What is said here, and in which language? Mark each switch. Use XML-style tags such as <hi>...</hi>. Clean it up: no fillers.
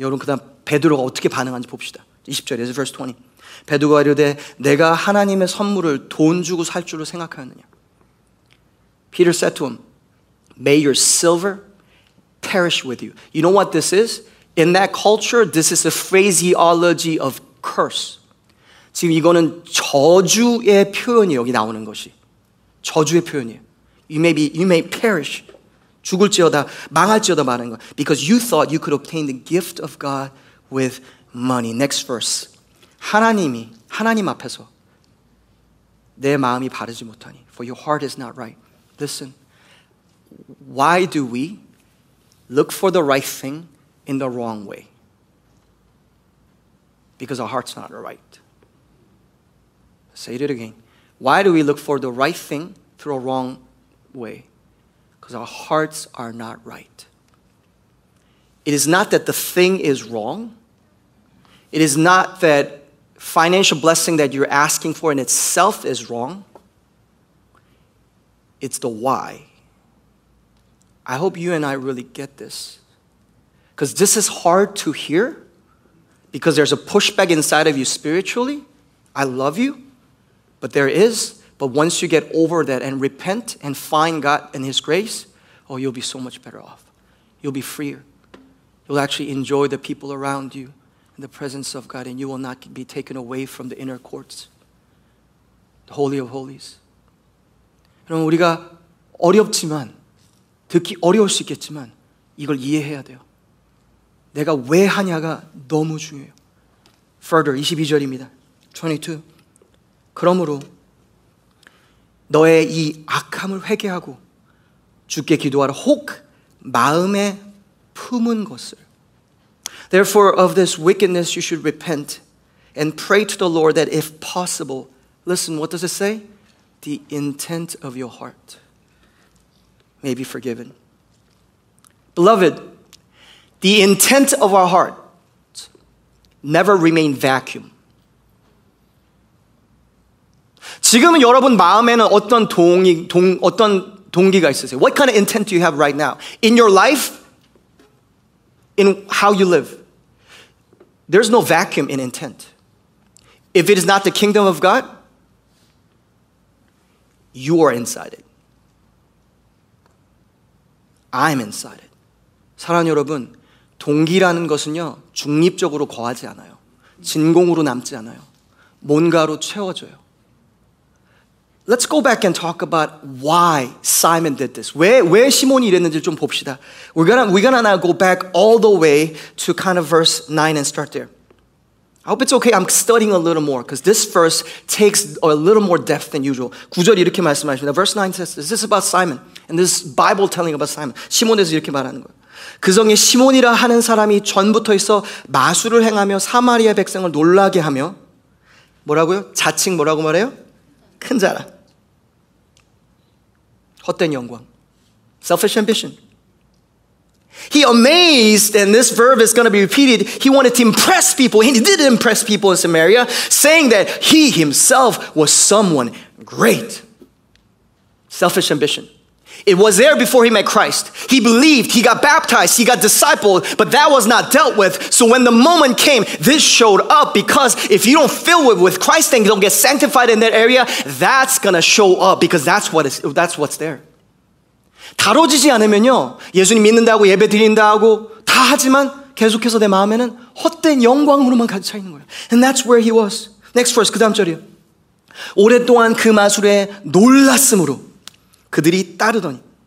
<ko>여러분, 그다음 베드로가 어떻게 반응하는지 봅시다. 20절에서</ko> <en>verse 20.</en> <ko>베드로가 이르되 내가 하나님의 선물을 돈 주고 살 줄을 생각하였느냐.</ko> <en>Peter said to him, may your silver perish with you. You know what this is? In that culture, this is a phraseology of curse.</en> <ko>지금 이거는 저주의 표현이 여기 나오는 것이. 저주의 표현이에요.</ko> <en>You may perish.</en> <ko>죽을지어다, 망할지어다 말하는 것.</ko> <en>Because you thought you could obtain the gift of God with money. Next verse. 하나님이, 하나님 앞에서 내 마음이 바르지 못하니. For your heart is not right. Listen, why do we look for the right thing in the wrong way? Because our heart's not right. Say it again. Why do we look for the right thing through a wrong way? Because our hearts are not right. It is not that the thing is wrong. It is not that financial blessing that you're asking for in itself is wrong. It's the why. I hope you and I really get this. Because this is hard to hear. Because there's a pushback inside of you spiritually. I love you. But there is. But once you get over that and repent and find God and His grace, oh, you'll be so much better off. You'll be freer. You'll actually enjoy the people around you and the presence of God. And you will not be taken away from the inner courts. The Holy of Holies.</en> <ko>그럼 우리가 어렵지만, 듣기 어려울 수 있겠지만 이걸 이해해야 돼요. 내가 왜 하냐가 너무 중요해요. Further, 22절입니다. 22. 그러므로 너의 이 악함을 회개하고 주께 기도하라. 혹 마음에 품은 것을.</ko> <en>Therefore, of this wickedness you should repent and pray to the Lord that if possible, listen, what does it say? The intent of your heart may be forgiven. Beloved, the intent of our heart never remain vacuum.</en> <ko>지금은 여러분 마음에는 어떤 어떤 동기가 있으세요?</ko> <en>What kind of intent do you have right now? In your life, in how you live, there's no vacuum in intent. If it is not the kingdom of God, you are inside it. I'm inside it.</en> <ko>사랑하는 여러분, 동기라는 것은요, 중립적으로 거하지 않아요. 진공으로 남지 않아요. 뭔가로 채워져요.</ko> <en>Let's go back and talk about why Simon did this.</en> <ko>왜 시몬이 이랬는지 좀 봅시다.</ko> <en>We're gonna now go back all the way to kind of verse 9 and start there. I hope it's okay. I'm studying a little more because this verse takes a little more depth than usual.</en> <ko>9절이 이렇게 말씀하십니다.</ko> <en>Verse 9 says, this is about Simon. And this Bible telling about Simon.</en> <ko>시몬에서 이렇게 말하는 거예요. 그 성에 시몬이라 하는 사람이 전부터 있어 마술을 행하며 사마리아 백성을 놀라게 하며 뭐라고요? 자칭 뭐라고 말해요? 큰 자라. 헛된 영광.</ko> <en>Selfish ambition. He amazed, and this verb is going to be repeated. He wanted to impress people, and he did impress people in Samaria, saying that he himself was someone great. Selfish ambition. It was there before he met Christ. He believed, he got baptized, he got discipled, but that was not dealt with. So when the moment came, this showed up, because if you don't fill it with Christ and you don't get sanctified in that area, that's going to show up, because that's what's there.</en> <ko>다뤄지지 않으면요, 예수님 믿는다고 예배 드린다고 다 하지만 계속해서 내 마음에는 헛된 영광으로만 가득 차 있는 거예요.</ko> <en>And that's where he was. Next verse,</en> <ko>그 다음 절이요. 오랫동안 그 마술에 놀랐으므로 그들이 따르더니.</ko>